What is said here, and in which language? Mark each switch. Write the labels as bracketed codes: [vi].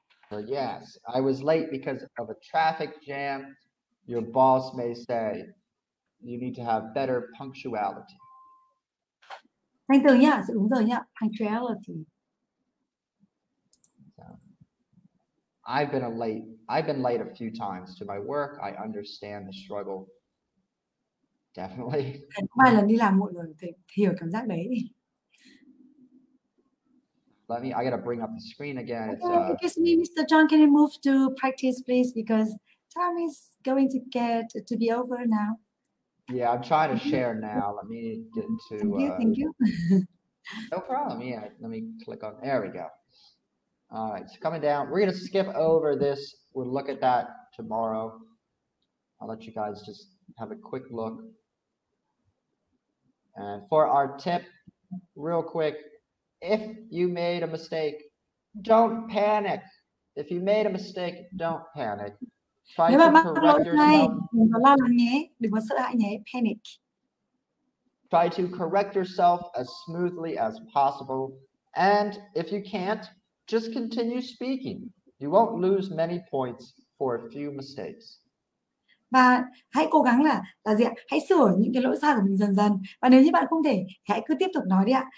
[en] So yes, I was late because of a traffic jam. Your boss may say you need to have better punctuality. [vi] Anh tưởng nhá, sự đúng giờ nhá, punctuality. [en] I've been late a few times to my work. I understand the struggle. Definitely. [vi] Vài lần đi làm muộn rồi thì hiểu cảm giác đấy. [en] Let me, I gotta bring up the screen again. Excuse me, Mr. John, can you move to practice, please? Because time is going to get to be over now. Yeah, I'm trying to share now. Let me get into. Thank you. No problem. Yeah, let me click on. There we go. All right, so coming down. We're gonna skip over this. We'll look at that tomorrow. I'll let you guys just have a quick look. And for our tip, real quick. If you made a mistake, don't panic. If you made a mistake, don't panic. Try to correct yourself. [vi] Đừng có sợ hãi nhé. [en] Panic. Try to correct yourself as smoothly as possible. And if you can't, just continue speaking. You won't lose many points for a few mistakes. [vi] Và hãy cố gắng là gì ạ? Hãy sửa những cái lỗi sai của mình dần dần. Và nếu như bạn không thể, hãy cứ tiếp tục nói đi ạ.